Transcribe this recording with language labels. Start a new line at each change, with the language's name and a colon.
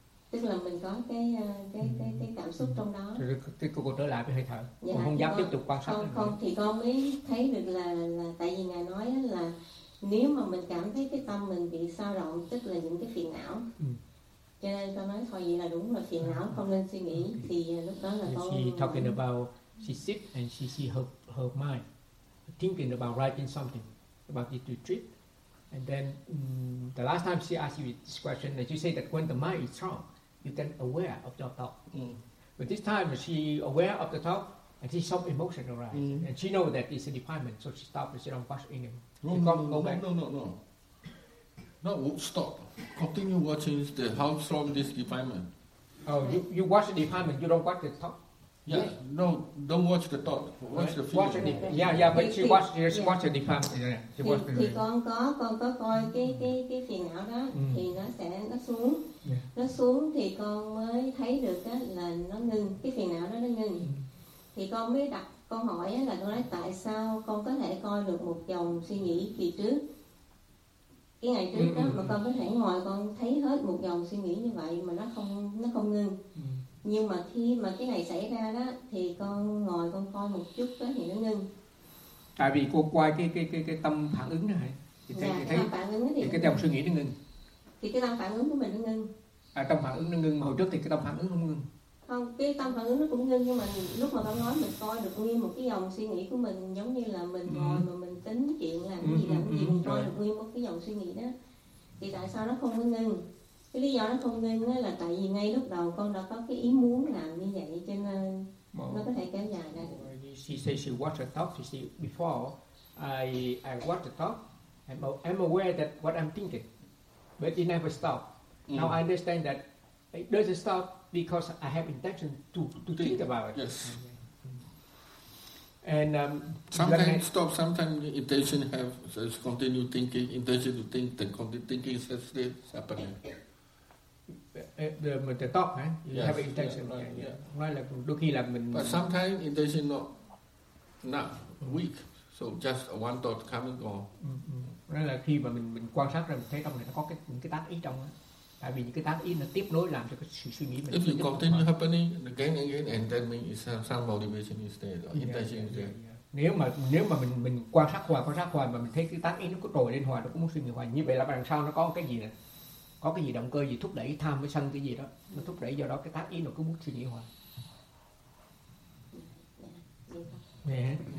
Vietnamese: Tức là mình có cái cảm xúc trong đó. Thì cô trở lại với hơi thở. Dạ, không dám con, tiếp tục quan sát. Con thì con mới thấy được là tại vì ngài nói là nếu mà mình cảm thấy cái tâm mình bị sao động, tức là những cái phiền não. Cho nên con nói thôi vậy là đúng rồi, phiền não không nên suy nghĩ. Okay. Thì lúc đó là
English: she talking about she sit and she see her mind thinking about writing something about the retreat. And then the last time she asked you this question, that you say that when the mind is strong, you get aware of your thought. Mm. But this time she aware of the thought and she saw emotion arise. Mm. And she know that it's a defilement, so she stopped and she don't watch anymore. No, stop. Continue watching the how strong this defilement. Oh, you watch the defilement, you don't watch the thought. Yeah. No, don't watch the thought. Watch the feeling. She watched the defilement.
Vietnamese: Thì con có coi cái phiền não đó, thì nó xuống.
English: Yeah.
Vietnamese: Nó xuống thì con mới thấy được á là nó ngưng, cái phiền não đó nó ngưng. Mm. Thì con mới đặt câu hỏi á, là con nói tại sao con có thể coi được một dòng suy nghĩ kỳ trước. Cái ngày trước đó mà con có thể ngồi con thấy hết một dòng suy nghĩ như vậy mà nó không ngưng. Nhưng mà khi mà cái này xảy ra đó thì con ngồi con coi một chút đó thì nó ngưng. Tại vì cô quay cái tâm phản ứng đó hả? Thì cái dòng suy nghĩ nó ngưng. Thì cái tâm phản ứng của mình nó ngưng. À, tâm phản ứng nó ngưng, mà hồi trước thì cái tâm phản ứng không ngưng. Không, cái tâm phản ứng nó cũng ngưng, nhưng mà lúc mà con nói mình coi được nguyên một cái dòng suy nghĩ của mình, giống như là mình ngồi mà mình tính chuyện làm gì mình coi được nguyên một cái dòng suy nghĩ đó. Thì tại sao nó không có ngưng? Cái lý do nó không ngưng là tại vì ngay lúc đầu con đã có cái ý muốn làm như vậy, cho nên nó có thể kéo dài ra được.
English: She says she watched the talk. She said before I watched the talk, I'm aware that what I'm thinking, but it never stopped. Mm. Now I understand that it doesn't stop because I have intention to think about it. Yes. Okay. And sometimes stop, sometimes intention have just continue thinking, intention to think, then continue thinking is happening. The talk, right? You yes. have intention. Yeah, right. But sometimes intention not weak. So just one thought coming on.
Vietnamese: Đó là khi mà mình quan sát ra mình thấy trong này nó có những cái tác ý trong đó. Tại vì những cái tác ý nó tiếp nối làm cho cái suy nghĩ mình.
English: If you continue happening again and then mình is some motivation is there, intention is there.
Vietnamese: Nếu mà mình quan sát hoài mà mình thấy cái tác ý nó cứ trồi lên hoài, nó cũng muốn suy nghĩ hoài, như vậy là đằng sau nó có cái gì này, có cái gì động cơ gì thúc đẩy tham với sân cái gì đó, nó thúc đẩy, do đó cái tác ý nó cứ muốn suy nghĩ hoài. Nè.